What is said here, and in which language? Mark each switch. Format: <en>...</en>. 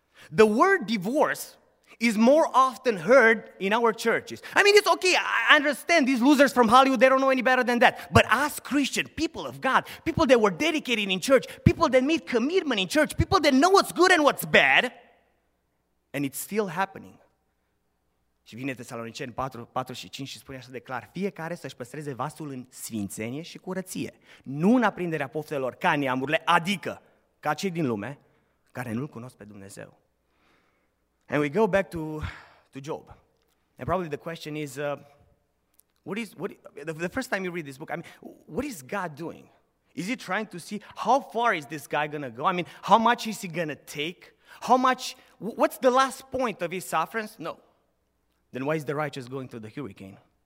<en>The word divorce is more often heard in our churches. I mean, it's okay, I understand these losers from Hollywood, they don't know any better than that. But us Christian, people of God, people that were dedicated in church, people that made commitment in church, people that know what's good and what's bad, and it's still happening.</en> <ro>Și vine Tesaloniceni 4 și 5 și spune așa de clar: fiecare să-și păstreze vasul în sfințenie și curăție, nu în aprinderea poftelor ca neamurile, adică ca cei din lume care nu-L cunosc pe Dumnezeu.</ro> <en>And we go back to Job. And probably the question is, the first time you read this book, I mean, what is God doing? Is He trying to see how far is this guy going to go? I mean, how much is He going to take? How much, what's the last point of His sufferings? No. Then why is the righteous going through the hurricane?</en>